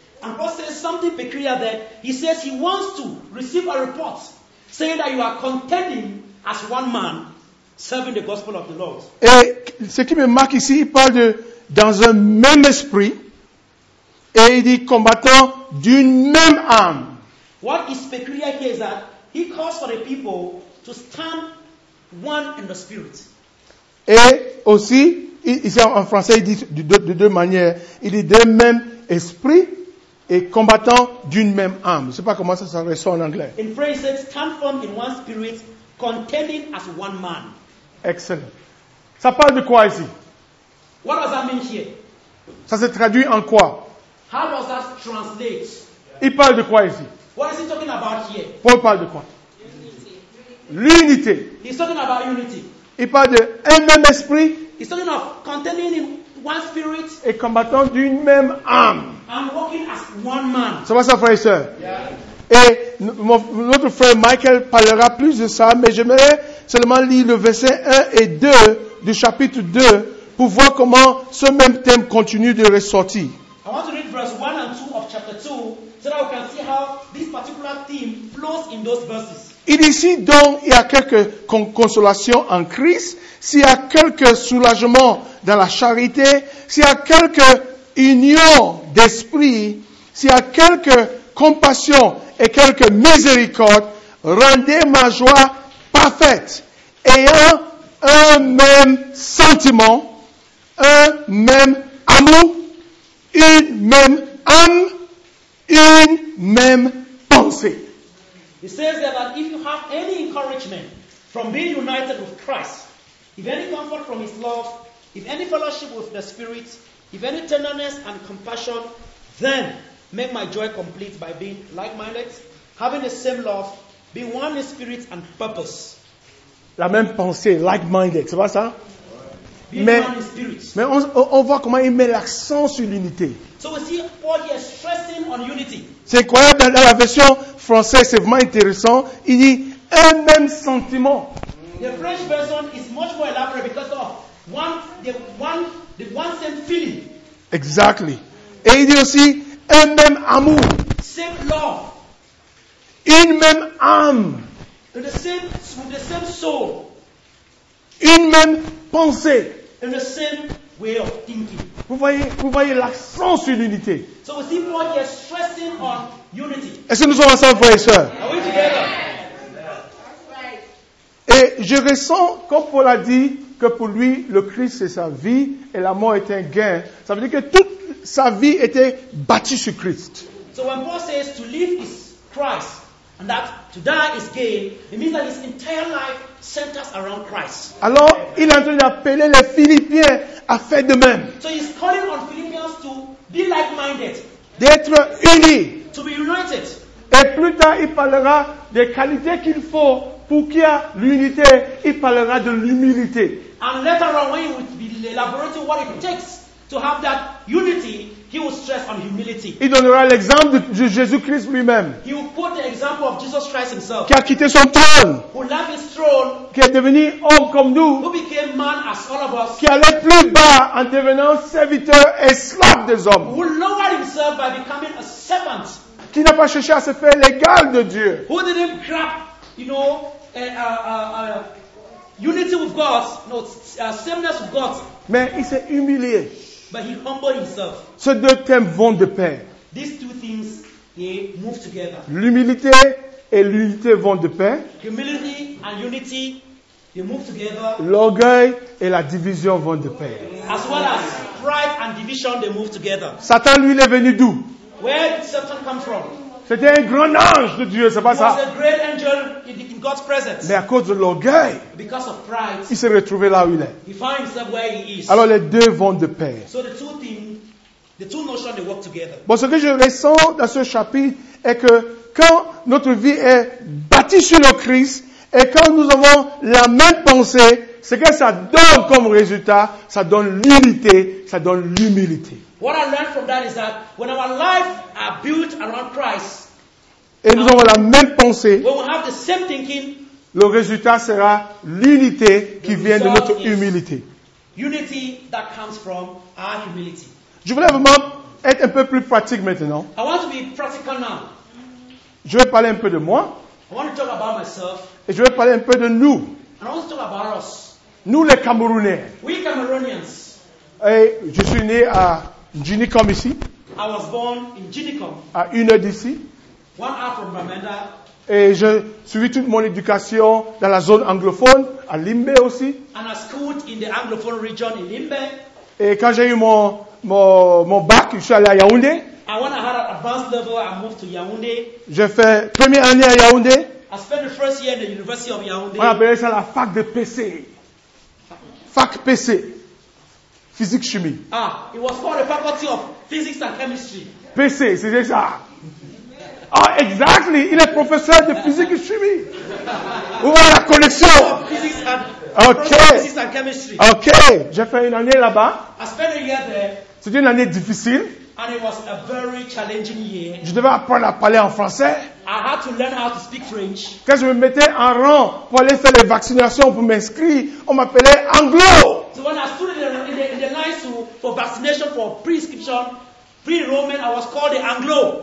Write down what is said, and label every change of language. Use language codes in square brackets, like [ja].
[en] And Paul says something peculiar there. He says he wants to receive a report saying that you are contending as one man serving the gospel of the Lord. [fr] Et ce qui me marque ici, il parle de dans un même esprit et il dit combattant d'une même âme. [en] What is peculiar here is that he calls for the people to stand one in the spirit. [fr] Et aussi, ici en français, il dit de deux manières. Il dit d'un même esprit et combattant d'une même âme. Je ne sais pas comment ça ressort en anglais. [en] In French, it says, stand firm in one spirit, contending as one man. [fr] Excellent. Ça parle de quoi ici? [en] What does that mean here? [fr] Ça se traduit en quoi? [en] How does that translate? [fr] Il parle de quoi ici? [en] What is he talking about here? [fr] Paul parle de quoi? L'unité. [en] He's talking about unity. [fr] Il parle de un même esprit. [en] He's talking of contending in one spirit. [fr] Et combattant d'une même âme. [en] I'm working as one man. [fr] Ça va ça, frère et sœur? [en] Yeah. [fr] Et notre frère Michael parlera plus de ça, mais j'aimerais seulement lire le verset 1 et 2 du chapitre 2 pour voir comment ce même thème continue de ressortir. [en] I want to read verse 1 and 2 of chapter 2 so that we can see how this particular theme flows in those verses. [fr] Il dit, si donc il y a quelque consolation en Christ, s'il y a quelque soulagement dans la charité, s'il y a quelque union d'esprit, s'il y a quelque compassion et quelque miséricorde, rendez ma joie parfaite, ayant un même sentiment, un même amour, une même âme, une même pensée. [en] It says there that if you have any encouragement from being united with Christ, if any comfort from his love, if any fellowship with the Spirit, if any tenderness and compassion, then make my joy complete by being like-minded, having the same love, being one in spirit and purpose. [fr] La même pensée, like-minded, c'est pas ça? Mais on voit comment il met l'accent sur l'unité. [en] So we see Paul here stressing on unity. [fr] C'est incroyable, dans la version française, c'est vraiment intéressant. Il dit un même sentiment. [en] The French version is much more elaborate because of one same feeling. [fr] Exactly. Et il dit aussi un même amour. [en] Same love. [fr] Une même âme. [en] With the same soul. [fr] Une même pensée. [en] In the same way of thinking. [fr] Vous voyez la sens unité. [en] So we see Paul here stressing on unity. [fr] Est-ce que nous sommes ensemble, frères et sœurs? [en] Are we together? [fr] Et je ressens, comme Paul a dit, que pour lui, le Christ c'est sa vie et la mort est un gain. Ça veut dire que toute sa vie était bâtie sur Christ. [en] So when Paul says to live is Christ and that to die is gain, it means that his entire life centers around Christ. [fr] Alors, il est en train d'appeler les Philippiens à faire de même. [en] So he's calling on Philippians to be like-minded. [fr] D'être unis. [en] To be united. [fr] Et plus tard, il parlera des qualités qu'il faut. Pour qu'il y ait l'unité, il parlera de l'humilité. [en] And later on, when he will be elaborating what it takes to have that unity, he will stress on humility. [fr] Il donnera l'exemple de Jésus-Christ lui-même. [en] He will quote the example of Jesus Christ himself. [fr] Qui a quitté son trône. [en] Who left his throne. [fr] Qui est devenu homme comme nous. [en] Who became man as all of us. [fr] Qui allait plus bas en devenant serviteur et slave des hommes. [en] Who lowered himself by becoming a servant. [fr] Qui n'a pas cherché à se faire l'égal de Dieu. [en] Who didn't grab unity with God, sameness with God. [fr] Mais il s'est humilié. [en] But he humbled himself. [fr] Ces deux thèmes vont de pair. [en] These two things, they move together. [fr] L'humilité et l'unité vont de pair. [en] Humility and unity, they move together. [fr] L'orgueil et la division vont de pair. [en] As well as pride and division, they move together. [fr] Satan, lui, il est venu d'où? [en] Where did Satan come from? [fr] C'était un grand ange de Dieu, c'est pas [en] he [fr] ça. [en] Was a great angel in God's presence. [fr] Mais à cause de l'orgueil, [en] because of pride, [fr] il s'est retrouvé là où il est. [en] He found himself where he is. [fr] Alors les deux vont de pair. [en] So the two things, the two notions, they work together. [fr] Bon, ce que je ressens dans ce chapitre est que quand notre vie est bâtie sur le Christ et quand nous avons la même pensée, ce que ça donne comme résultat, ça donne l'unité, ça donne l'humilité. [en] What I learned from that is that when our lives are built around Christ, [fr] et nous avons la même pensée, [en] when we have the same thinking, [fr] le résultat sera l'unité qui vient de notre humilité. [en] Unity that comes from our humility. [fr] Je voulais vraiment être un peu plus pratique maintenant. [en] I want to be practical now. [fr] Je vais parler un peu de moi. [en] I want to talk about myself. [fr] Et je vais parler un peu de nous. [en] And I want to talk about us. [fr] Nous les Camerounais. [en] We Cameroonians. [fr] Et je suis né à Ginicom ici. [en] I was born in Ginicom. [fr] À une heure d'ici. [en] 1 hour from Bamenda. [fr] Et je suis toute mon éducation dans la zone anglophone, à Limbe aussi. [en] And I schooled in the anglophone region in Limbe. [fr] Et quand j'ai eu mon bac, je suis allé à Yaoundé. [en] And when I had an advanced level, I moved to Yaoundé. [fr] J'ai fait première année à Yaoundé. [en] I spent the first year in the University of Yaoundé. [fr] On appelait ça la fac de PC. Fac PC. Physique chimie. [en] Ah, it was called the Faculty of Physics and Chemistry. [fr] PC, c'est ça. Ah, exactly. Il est professeur de physique et chimie. Où est la connexion? [en] Physics and okay. Physics and Chemistry. [fr] Ok. J'ai fait une année là-bas. [en] I spent a year there. [fr] C'était une année difficile. [en] And it was a very challenging year. [fr] Je devais apprendre à parler en français. [en] I had to learn how to speak French. [fr] Quand je me mettais en rang pour aller faire les vaccinations pour m'inscrire, on m'appelait anglo. [en] So when I stood in the line for vaccination for prescription, pre-enrollment, I was called the anglo.